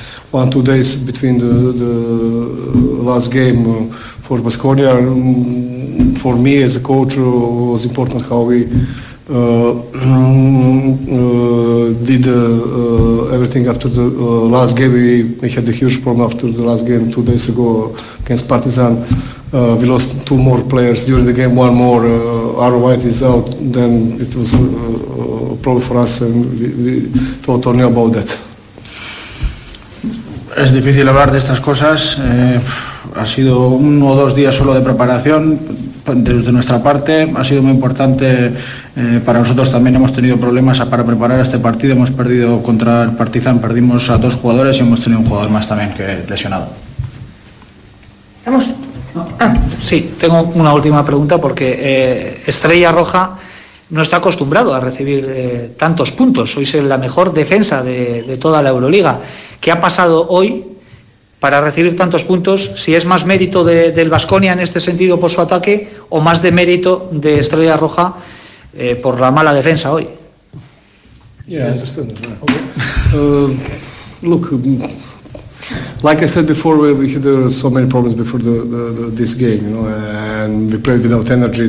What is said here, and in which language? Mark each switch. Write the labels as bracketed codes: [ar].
[en] One, 2 days between the last game for Baskonia, for me as a coach, was important how we did everything after the last game. We had a huge problem after the last game 2 days ago against Partizan. We lost two more players during the game, one more, Aro White is out, then it was a problem for us and we thought only about that. [es] Es difícil hablar de estas cosas, ha sido uno o dos días solo de preparación desde nuestra parte, ha sido muy importante para nosotros también, hemos tenido problemas para preparar este partido, hemos perdido contra el Partizan, perdimos a dos jugadores y hemos tenido un jugador más también que lesionado. ¿Estamos? Sí, tengo una última pregunta porque Estrella Roja no está acostumbrado a recibir tantos puntos, sois la mejor defensa de toda la Euroliga. ¿Qué ha pasado hoy para recibir tantos puntos? ¿Si es más mérito del Baskonia en este sentido por su ataque o más de mérito de Estrella Roja por la mala defensa hoy? [en] Yeah, I understand. Look, like I said before, we had so many problems before this game, you know, and we played without energy.